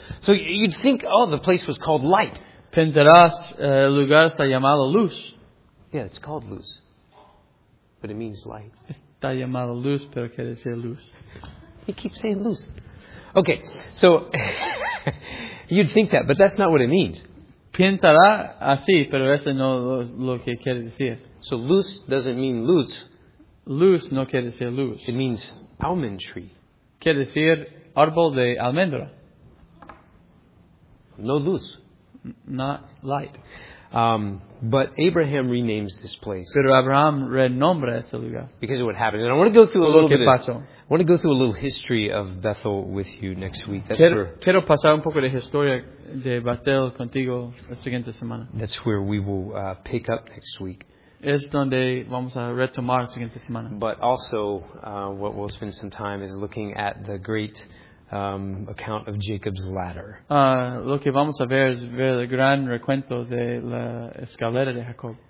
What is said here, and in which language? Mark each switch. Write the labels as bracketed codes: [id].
[en] So you'd think, oh, the place was called light. [es] Penderás, lugar está llamado luz. [en] Yeah, it's called luz, but it means light. [es] Está llamado luz, pero quiere decir luz. [en] He keeps saying luz. Okay, so you'd think that, but that's not what it means. [es] Pintará así, pero eso no es lo que quiere decir. [en] So luz doesn't mean luz. [es] Luz no quiere decir luz. [en] It means almond tree. [es] Quiere decir árbol de almendra. No luz. [en] Not light. But Abraham renames this place. [es] Pero Abraham renombra ese lugar. [en] Because of what happened. And I want to go through a little bit I want to go through a little history of Bethel with you next week. [es] Quiero pasar un poco de historia de Bethel contigo la siguiente semana. [en] That's where we will pick up next week. [es] Es donde vamos a retomar la siguiente semana. [en] But also, what we'll spend some time is looking at the great account of Jacob's ladder. [es] Lo que vamos a ver es ver el gran recuento de la escalera de Jacob.